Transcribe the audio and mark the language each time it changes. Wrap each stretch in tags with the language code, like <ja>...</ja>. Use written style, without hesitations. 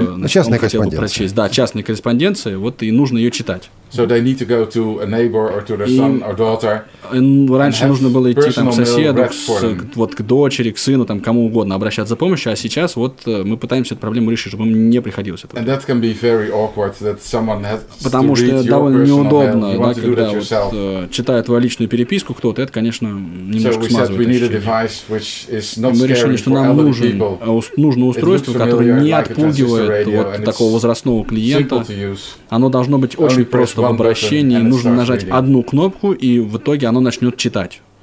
<ru>частная корреспонденция. Прочесть. Да, частная корреспонденция, вот и нужно ее читать.</ru> <en>So they need to go to a neighbor or to their son or daughter.</en> <ru>Раньше нужно было идти там к соседу, вот к дочери, к сыну, там кому угодно обращаться за помощью, а сейчас вот мы пытаемся эту проблему решить, чтобы им не приходилось это.</ru> <en>And that can be very awkward that someone has.</en> <ru>Потому что довольно неудобно,</ru> <en>mail,</en> <ru>да, когда вот читает твою личную переписку кто-то, это, конечно, немножко смазывает ощущение. Мы решили, что нам нужно устройство, которое не отпугивает вот такого возрастного клиента. Оно должно быть очень просто. Просто в обращении нужно нажать одну кнопку, и в итоге оно начнет читать.</ru>